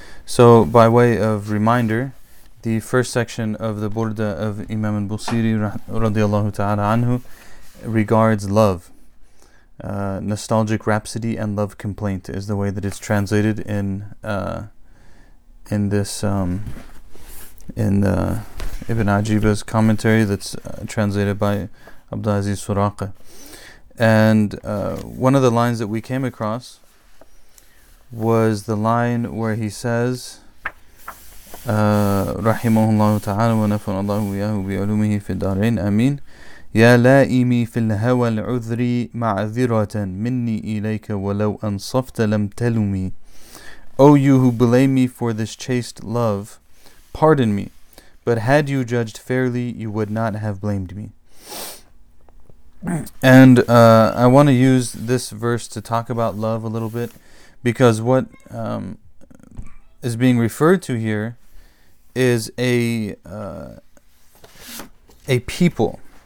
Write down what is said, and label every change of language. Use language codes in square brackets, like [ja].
[en] So by way of reminder, the first section of the Burdah of Imam al-Busiri radiallahu ta'ala anhu regards love. Nostalgic rhapsody and love complaint is the way that it's translated in Ibn Ajiba's commentary that's translated by Abdulaziz Suraqa. And one of the lines that we came across was the line where he says, [ar] رحمه الله تعالى ونفعنا الله وياه بعلومه في الدارين آمين يا لائمي في الهوى العذري معذرة مني إليك ولو أنصفت لم تلومي. [en] O you who blame me for this chaste love, pardon me, but had you judged fairly, you would not have blamed me. And I want to use this verse to talk about love a little bit, because what is being referred to here is a people.